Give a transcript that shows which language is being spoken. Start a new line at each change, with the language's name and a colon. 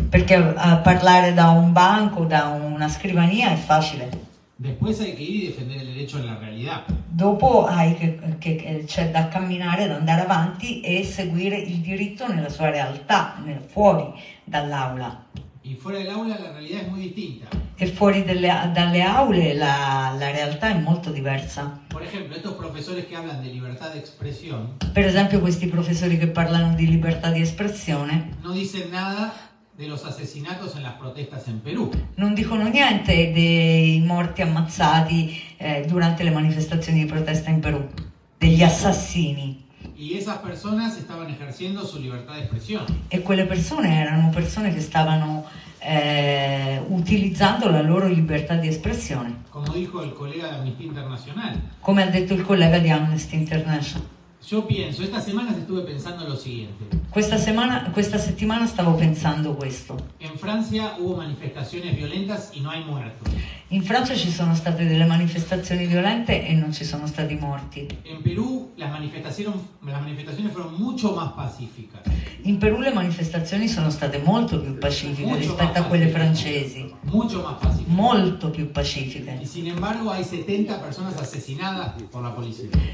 Italian: Perché parlare da un banco, da una scrivania è facile.
Spanish: Después hay que ir y defender el derecho en la realidad.
Italian: Dopo
Spanish: hay que
Italian: c'è da camminare, da andare avanti e seguire il diritto nella sua realtà, fuori dall'aula.
Spanish: Y fuera del aula la realidad es muy distinta.
Italian: E fuori dalle aule la realtà è molto diversa.
Spanish: Por ejemplo, estos profesores que hablan de libertad de expresión.
Italian: Per esempio questi professori che parlano di libertà di espressione.
Spanish: No dicen nada de los asesinatos en las protestas en Perú.
Italian: Non dicono niente dei morti ammazzati durante le manifestazioni di protesta in Perù, degli assassini.
Spanish: Y esas personas estaban ejerciendo su libertad de expresión.
Italian: E quelle persone erano persone che stavano utilizzando la loro libertà di espressione.
Spanish: Como dijo el colega de Amnistía Internacional.
Italian: Come ha detto il collega di Amnesty International.
Spanish: Yo pienso, esta semana estuve pensando lo siguiente.
Italian: Questa settimana stavo pensando questo.
Spanish: En Francia hubo manifestaciones violentas y no hay muertos.
Italian: In Francia ci sono state delle manifestazioni violente e non ci sono stati morti.
Spanish: En Perú las manifestaciones fueron mucho más pacíficas.
Italian: In Perù le manifestazioni sono state molto più pacifiche rispetto a quelle francesi.
Spanish: Mucho más pacíficas.
Italian: Molto più pacifiche.
Spanish: Y sin embargo hay 70 personas asesinadas por la policía.